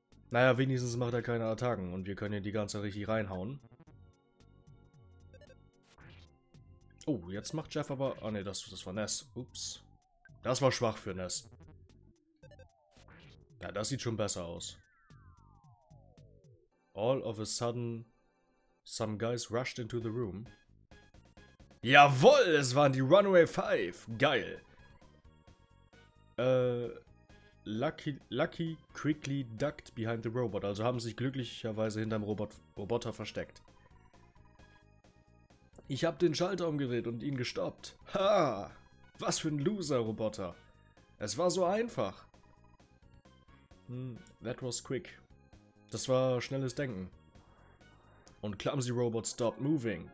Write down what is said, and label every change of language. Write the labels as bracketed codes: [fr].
[de] Naja, wenigstens macht er keine Attacken und wir können hier die ganze Zeit richtig reinhauen. Oh, jetzt macht Jeff aber. Ah, ne, das war Ness. Ups. Das war schwach für Ness. Ja, das sieht schon besser aus. [en] All of a sudden, some guys rushed into the room. [de] Jawoll, es waren die Runaway Five. Geil. [en] Lucky quickly ducked behind the robot. [de] Also haben sich glücklicherweise hinterm Roboter versteckt. Ich habe den Schalter umgedreht und ihn gestoppt. Ha! Was für ein Loser-Roboter. Es war so einfach. [en] That was quick. [de] Das war schnelles Denken. Und [en] clumsy robot stopped moving.